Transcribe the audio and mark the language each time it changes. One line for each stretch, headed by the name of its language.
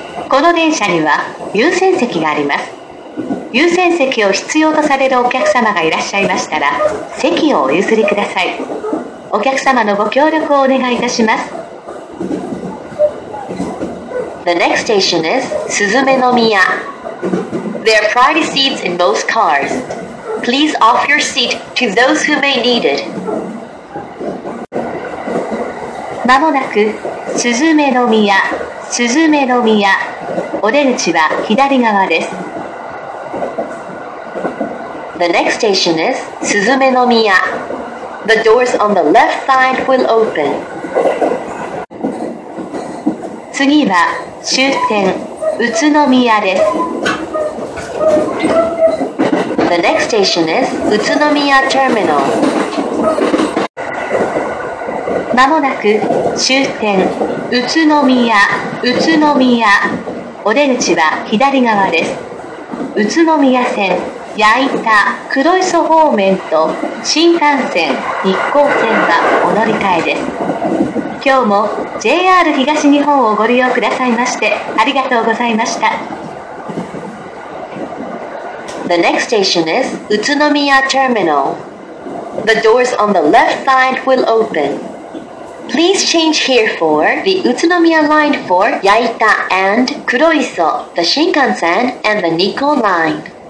Japanese: この電車には優先席があります。優先席を必要とされるお客様がいらっしゃいましたら、席をお譲りください。お客様のご協力をお願いいたします。
English: The next station is 雀の宮。 There are priority seats in most cars. Please offer your seat to those who may need it.
Japanese: まもなく、すずめの宮、すずめの宮。お出口は左側です。
English: The next station is すずめの宮。 The doors on the left side will open.
Japanese: 次は終点、宇都宮です。
English: The next station is 宇都宮 terminal.
Japanese: まもなく終点宇都宮、宇都宮。お出口は左側です。宇都宮線、矢板、黒磯方面と新幹線、日光線はお乗り換えです。今日も JR 東日本をご利用くださいましてありがとうございました。
English: The next station is 宇都宮 Terminal. The doors on the left side will open. Please change here for the 宇都宮 line for 矢板 and 黒磯, the Shinkansen and the Nikko line.